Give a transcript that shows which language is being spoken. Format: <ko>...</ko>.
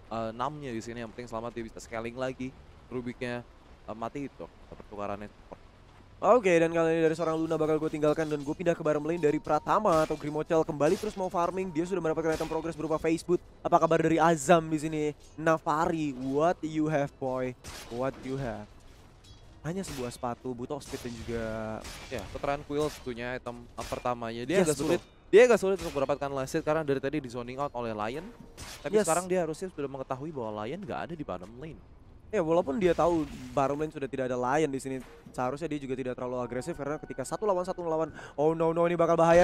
<id>6-nya di sini yang penting selamat, dia bisa scaling lagi Rubiknya. Mati itu pertukarannya. Okay, dan kali ini dari seorang Luna bakal gue tinggalkan dan gue pindah ke bottom lane dari Pratama atau Grimochel. Kembali terus mau farming, dia sudah mendapatkan item progress berupa face boot. Apa kabar dari Azam di sini?</id> <en>Navari, what you have boy? What you have?</en> <id>Hanya sebuah sepatu, butuh speed dan juga... Ya, keteran Quill tentunya item pertamanya. Dia agak sulit. Dia agak sulit untuk mendapatkan last hit karena dari tadi di zoning out oleh Lion. Tapi sekarang dia harusnya sudah mengetahui bahwa Lion gak ada di bottom lane. Ya, walaupun dia tahu bottom lane sudah tidak ada Lion di sini, seharusnya dia juga tidak terlalu agresif karena ketika satu lawan satu melawan, oh no, ini bakal bahaya.</id>